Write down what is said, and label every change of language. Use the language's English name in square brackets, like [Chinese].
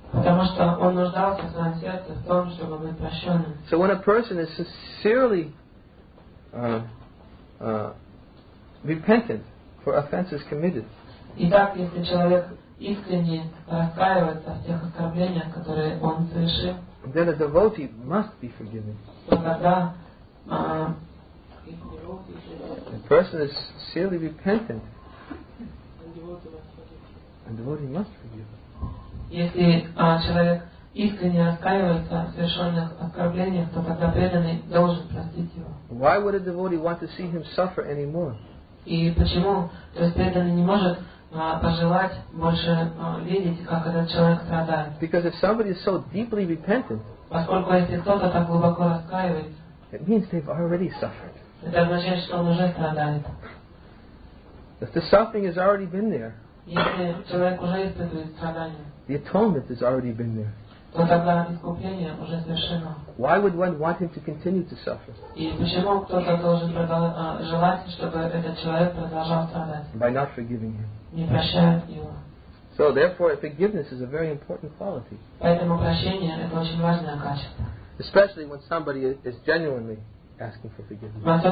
[English] So when a person is sincerely repentant for offenses committed, then a devotee must be forgiven. A person is sincerely repentant. [Russian] Если человек искренне раскаивается в совершенных оскорблениях, то тогда преданный должен простить его. [English] Why would a devotee want to see him suffer anymore? [Russian] И почему? То есть преданный не может пожелать больше видеть, как этот человек страдает. [English] Because if somebody is so deeply repentant, [Russian] поскольку если кто-то так глубоко раскаивается, [English] it means they've already suffered. [Russian] Это означает, что он уже страдает. [English] If the suffering has already been there, [Russian] если человек уже испытывает страдания, [English] the atonement has already been there, [Russian] то тогда искупление уже совершено. [English] Why would one want him to continue to suffer? [Russian] И почему кто-то должен желать, чтобы этот человек продолжал страдать? [English] By not forgiving him. [Russian] Не прощает его. [English] So therefore, forgiveness is a very important quality. [Russian] Поэтому прощение — это очень важное качество. [English] Especially when somebody is genuinely asking for forgiveness.